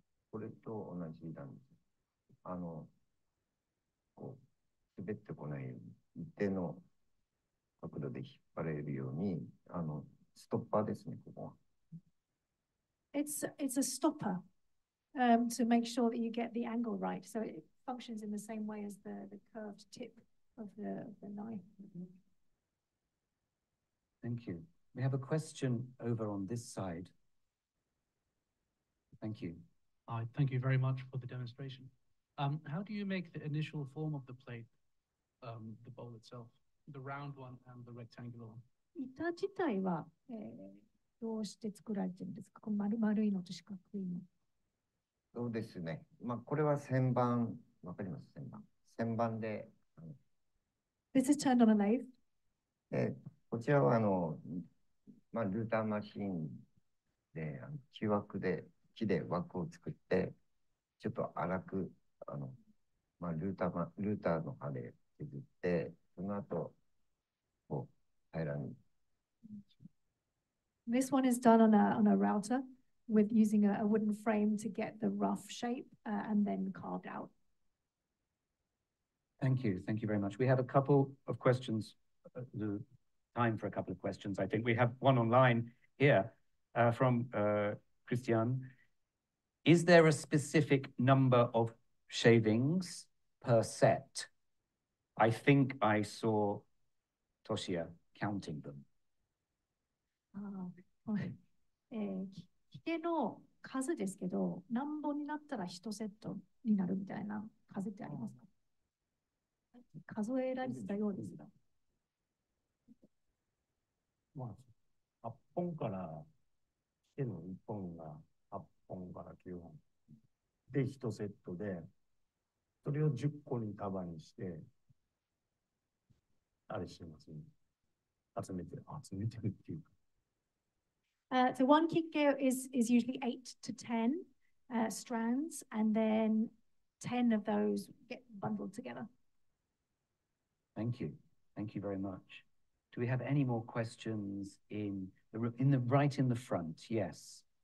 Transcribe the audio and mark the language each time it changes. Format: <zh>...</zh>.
<ja>これと同じなんです。あのこう滑ってこないように一定の角度で引っ張れるように、あのストッパーですね、ここは。</ja> <en>It's a stopper. To make sure that you get the angle right. So it functions in the same way as the curved tip of the knife. Thank you. We have a question over on this side. Thank you. Hi, thank you very much for the demonstration. How do you make the initial form of the plate, the bowl itself, the round one and the rectangular one?</en> <ja>板自体は、どうして作られてるんですか？この丸いのと四角いの。そうですね。まあ、これは旋盤、わかります？旋盤。旋盤で。</ja> <en>This is turned on a knife.</en> <ja>で、こちらはあの、まあ、ルーターマシーンで、木枠で、木で枠を作って、ちょっと粗く、あの、まあ、ルーターの刃で削って、その後、こう、平らに。</ja> <en>This one is done on a router. With using a wooden frame to get the rough shape, and then carved out. Thank you very much. We have a couple of questions, the time for a couple of questions. I think we have one online here from Christian. Is there a specific number of shavings per set? I think I saw Toshiya counting them.</en> <ja>引けの数ですけど、何本になったら1セットになるみたいな数ってありますか？数えられてたようですが。まあ、8本から、引けの1本が8本から9本で1セットで、それを10個に束にして、あれしてますね。集めてるっていうか。</ja> <en>So one kikke is usually 8 to 10 strands, and then 10 of those get bundled together. Thank you very much. Do we have any more questions in the right in the front? Yes.</en>